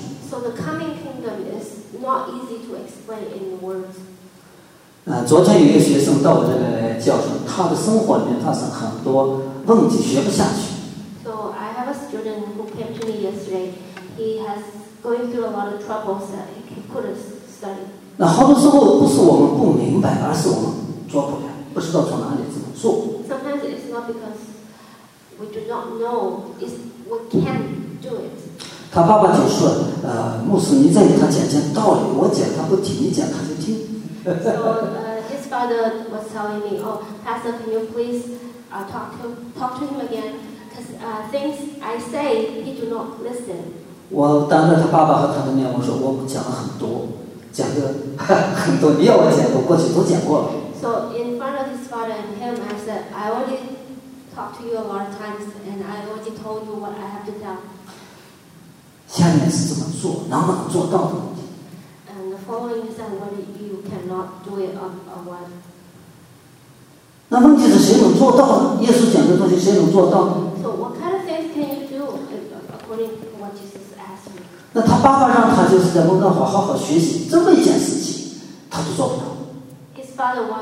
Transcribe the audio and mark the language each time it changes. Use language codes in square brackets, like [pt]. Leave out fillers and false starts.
[en] So the coming kingdom is not easy to explain in words. [zh] 昨天有一个学生到我这里来教授，他的生活里面发生很多问题，学不下去。 [en] So I have a student who came to me yesterday. He has going through a lot of troubles that he couldn't study. [zh] 那好多时候不是我们不明白，而是我们做不了，不知道从哪里怎么做。 [en] Sometimes it's not because we do not know, is we can't do it. [zh] 他爸爸就说，牧师，你再给他讲讲道理，我讲他不听，你讲他就听。 [en] his father was telling me, oh, pastor, can you please talk to him again? Because things I say, he do not listen. [zh] 我当着他爸爸和他的面，我说我讲了很多，讲的很多，你要我讲，我过去都讲过了。 [en] So in front of his father and him, I said, I already talked to you a lot of times, and I already told you what I have to tell. [zh] 下面是怎么做，能不能做到的问题。 [en] And the following is that what you cannot do it on a one. [zh] 那问题是谁能做到呢？耶稣讲的东西谁能做到呢？ [en] So what kind of things can you do according to what Jesus asked you? [zh] 那他爸爸让他就是在温哥华好好学习，这么一件事情，他都做不到。